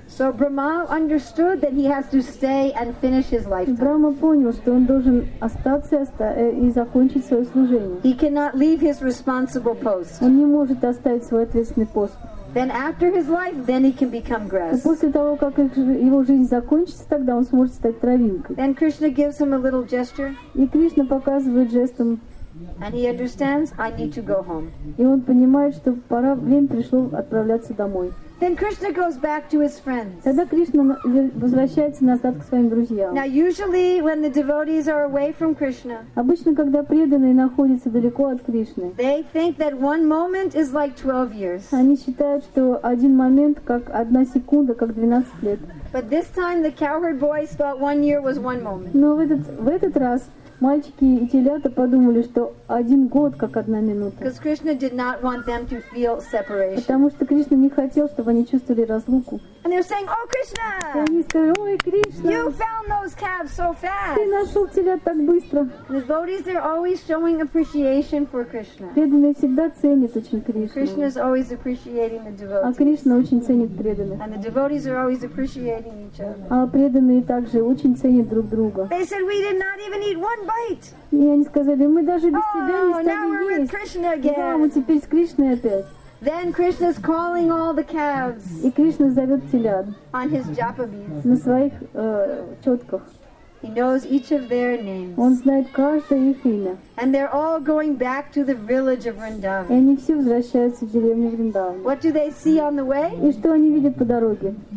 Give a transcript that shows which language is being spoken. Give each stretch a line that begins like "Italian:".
English: So Brahma understood that he has to stay and finish his lifetime.
Russian: Брахма понял, что он должен остаться и закончить свое служение.
English: He cannot leave his responsible post.
Russian: Он не может оставить свой ответственный пост.
English: Then after his life, then he can become grass.
Russian: После того, как его жизнь закончится, тогда он сможет стать травинкой.
English: Then Krishna gives him a little gesture.
Russian: И Кришна показывает жестом.
English: And he understands, I need to go home.
Russian: И он понимает, что пора, время пришло отправляться домой.
English: Then Krishna goes back to his friends.
Russian: Тогда Кришна возвращается назад к своим друзьям.
English: Now usually when the devotees are away from Krishna,
Russian: обычно когда преданные находятся далеко от Кришны,
English: they think that one moment is like 12 years.
Russian: Они считают, что один момент как одна секунда, как 12 лет.
English: But this time the cowherd boys thought 1 year was one moment.
Russian: Но в этот раз мальчики и телята подумали, что один год как одна минута.
English: Because Krishna did not want them to feel separation.
Russian: Потому что Кришна не хотел, чтобы они чувствовали разлуку.
English: And they're saying, "Oh, Krishna!"
Russian: И они сказали, ой, Кришна!
English: You found those calves so fast.
Russian: Ты нашел телят так быстро.
English: The devotees are always showing appreciation for Krishna.
Russian: Преданные всегда ценят очень Кришну.
English: Krishna is always appreciating the devotees.
Russian: А Кришна очень ценит преданных.
English: And the devotees are always appreciating each other.
Russian: А преданные также очень ценят друг друга.
English: They said, "We did not even eat one bite."
Russian: И они сказали, мы даже без тебя не стали есть.
English: Oh, now we're with Krishna again.
Russian: Да, мы теперь с Кришной опять.
English: Then Krishna's calling all the calves.
Russian: И Кришна зовет телят.
English: On his japa beads.
Russian: На своих четках.
English: He knows each of their names.
Russian: Он знает каждое их имя.
English: And they're all going back to the village of Vrindavan.
Russian: И они все возвращаются в деревню Вриндаван.
English: What do they see on the way?
Russian: И что они видят по дороге?